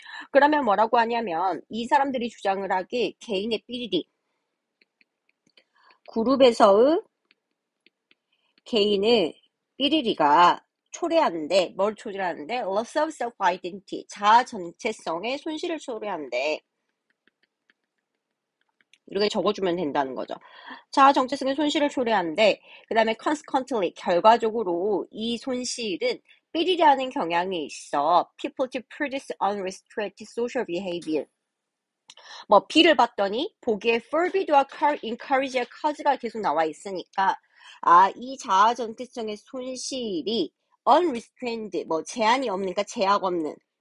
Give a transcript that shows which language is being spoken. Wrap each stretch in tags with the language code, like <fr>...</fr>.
<ko>그러면 뭐라고 하냐면 이 사람들이 주장을 하기 개인의 삐리디 그룹에서의 개인의 삐리리가 초래하는데 뭘 초래하는데</ko> <en>loss of self identity</en> <ko>자아 정체성의 손실을 초래한대. 이렇게 적어주면 된다는 거죠. 자아 정체성의 손실을 초래하는데, 그 다음에 consequently, 결과적으로 이 손실은 삐리리라는 경향이 있어.</ko> <en>People to produce unrestricted social behavior.</en> <ko>뭐, 피를 봤더니, 보기에 forbid와 encourage의 cause가 계속 나와 있으니까, 아, 이 자아 정체성의 손실이 unrestrained, 뭐, 제한이 없는가, 제약 없는.</ko>